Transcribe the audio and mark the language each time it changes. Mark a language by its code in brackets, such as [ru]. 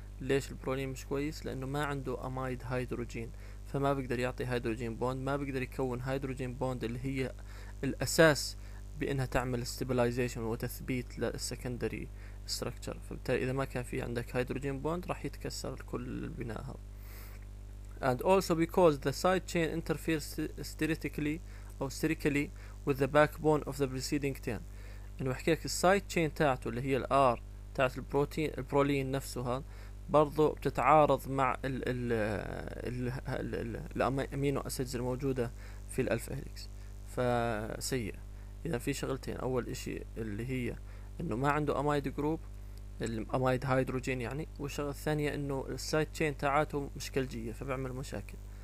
[ar] ليش البرولين مش كويس؟ لانه ما عنده امايد هيدروجين، فما بيقدر يعطي هيدروجين بوند، ما بيقدر يكون هيدروجين بوند اللي هي الاساس بانها تعمل ستابلايزيشن وتثبيت للسكندري ستراكشر. فبالتالي اذا ما كان في عندك هيدروجين بوند راح يتكسر كل البناء. [en] And also because the side chain interferes sterically or sterically with the backbone of the preceding chain. [ar] انه بحكي لك السايد تشين تاعته اللي هي الار تاعت البروتين البرولين نفسها برضو بتتعارض مع الامينو اسيدز الموجوده في الالفا هيليكس، فسيء. اذا في شغلتين، اول اشي اللي هي انه ما عنده امايد جروب الامايد هيدروجين يعني، والشغله الثانيه انه السايد تشين تاعته مشكلجيه فبيعمل مشاكل.